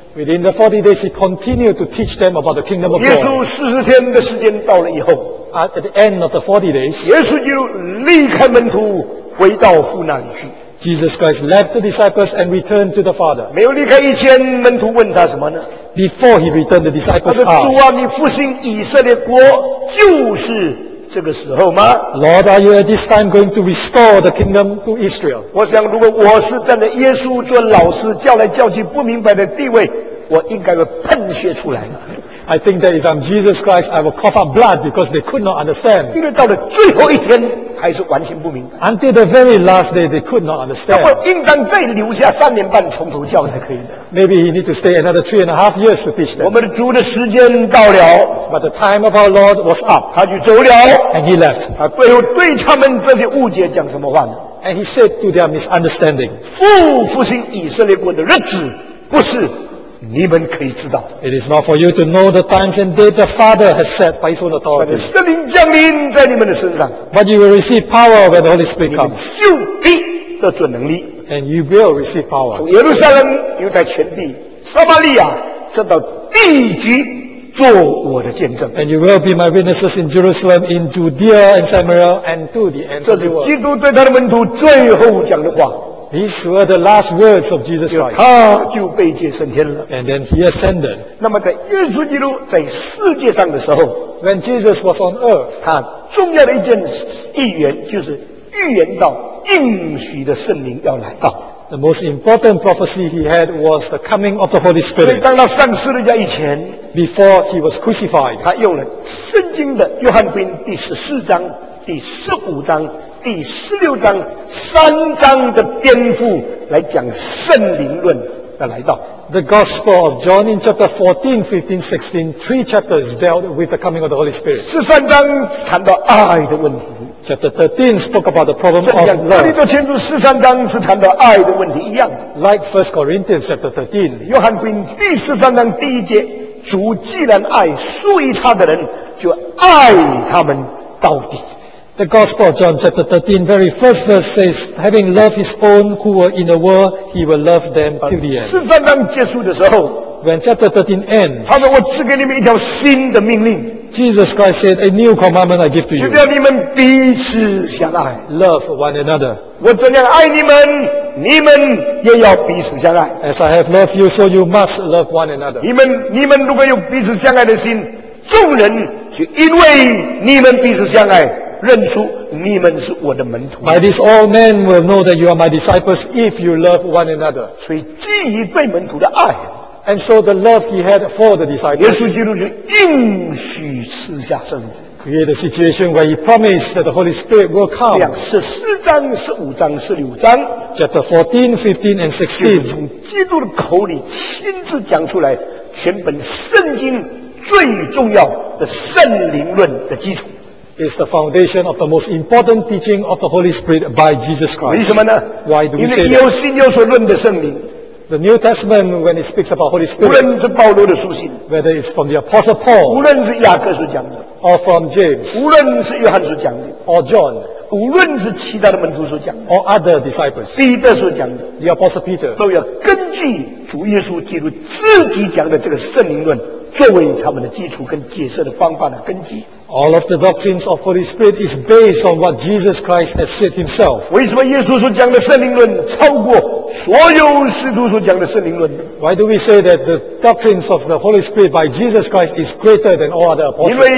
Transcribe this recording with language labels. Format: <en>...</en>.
<en>within the 40 days he continued to teach them about the kingdom of God.</en> <zh>耶稣40天的时间到了以后,</zh> <en>at the end of the 40 days,</en> <zh>耶稣就离开门徒回到父那里去,</zh> <en>Jesus Christ left the disciples and returned to the Father.</en> <zh>没有离开一天,门徒问他什么呢?</zh> <en>Before he returned, the disciples asked,</en> <zh>主啊,你复兴以色列国就是 这个时候吗?</zh> <en>Lord, are you at this time going to restore the kingdom to Israel?</en> <zh>我想如果我是站在耶稣做老师教来教去不明白的地位,我应该会喷血出来。</zh> <en>I think that if I'm Jesus Christ, I will cough up blood because they could not understand.</en> <zh>因为到了最后一天, 还是完全不明白,</zh> <en>until the very last day they could not understand.</en> <zh>应该再留下3年半从头教才可以的,</zh> <en>maybe he need to stay another 3.5 years to teach them.</en> <zh>我们的主的时间到了,</zh> <en>but the time of our Lord was up,</en> <zh>他就走了,</zh> <en>and he left.</en> <zh>他最后对他们这些误解讲什么话呢?</zh> <en>And he said to their misunderstanding,</en> <zh>复兴以色列国的日子不是你们可以知道,</zh> <en>it is not for you to know the times and date the Father has set by his own authority.</en> <zh>圣灵降临在你们的身上,</zh> <en>but you will receive power when the Holy Spirit comes.</en> <zh>你们就必得准能力,</zh> <en>and you will receive power.</en> <zh>从耶路撒冷犹太全地, 撒玛利亚, 直到地极,</zh> <en>and you will be my witnesses in Jerusalem, in Judea and Samaria, and to the end of the world.</en> <zh>这是基督对他的门徒最后讲的话,</zh> <en>these were the last words of Jesus Christ.</en> <zh>他就被接升天了,</zh> <en>and then he ascended.</en> <zh>那么在耶稣基督在世界上的时候,</zh> <en>when Jesus was on earth,</en> <zh>他重要的一件预言, 就是预言到应许的圣灵要来到,</zh> <en>the most important prophecy he had was the coming of the Holy Spirit.</en> <zh>所以当他上十字架以前,</zh> <en>before he was crucified,</en> <zh>他用了圣经的约翰福音第14章第15章, 第16章3章的篇幅来讲圣灵论的来到,</zh> <en>the gospel of John in chapter 14, 15, 16, 3 chapters dealt with the coming of the Holy Spirit.</en> <zh>13章谈到爱的问题,</zh> <en>chapter 13 spoke about the problem of love.</en> <zh>13章是谈到爱的问题一样,</zh> <en>like 1 Corinthians chapter 13,</en> <zh>约翰福音第13章第1节, 主既然爱属于他的人就爱他们到底,</zh> <en>the gospel of John chapter 13 very first verse says, having loved his own who were in the world, he will love them till the end.</en> <zh>13章结束的时候,</zh> <en>when chapter 13 ends,</en> <zh>他说我赐给你们一条新的命令,</zh> <en>Jesus Christ said, a new commandment I give to you,</en> <zh>就叫你们彼此相爱,</zh> <en>love one another.</en> <zh>我怎样爱你们, 你们也要彼此相爱,</zh> <en>as I have loved you, so you must love one another.</en> <zh>你们如果有彼此相爱的心, 众人就因为你们彼此相爱, 认出你们是我的门徒,</zh> <en>by this all men will know that you are my disciples, if you love one another.</en> <zh>所以基于对门徒的爱,</zh> <en>and so the love he had for the disciples,</en> <zh>耶稣基督就应许赐下圣灵,</zh> <en>create a situation where he promised that the Holy Spirit will come.</en> <zh>14章15章16章,</zh> <en>chapter 14, 15, and 16,</en> <zh>从基督的口里亲自讲出来全本圣经最重要的圣灵论的基础,</zh> <en>is the foundation of the most important teaching of the Holy Spirit by Jesus Christ.</en> <zh>为什么呢?</zh> <en>Why do we say that?</en> <zh>因为有信有所论的圣灵,</zh> <en>the New Testament, when it speaks about Holy Spirit,</en> <zh>无论是保罗的书信,</zh> <en>whether it's from the Apostle Paul,</en> <zh>无论是雅各所讲的,</zh> <en>or from James,</en> <zh>无论是约翰所讲的,</zh> <en>or John,</en> <zh>无论是其他的门徒所讲的,</zh> <en>or other disciples,</en> <zh>彼得所讲的,</zh> <en>the Apostle Peter,</en> <zh>都要根据主耶稣基督自己讲的这个圣灵论, 作为他们的基础跟解释的方法的根基。</zh> <en>All of the doctrines of Holy Spirit is based on what Jesus Christ has said himself.</en> <zh>为什么耶稣所讲的圣灵论超过所有使徒所讲的圣灵论?</zh> <en>Why do we say that the doctrines of the Holy Spirit by Jesus Christ is greater than all other apostles?</en>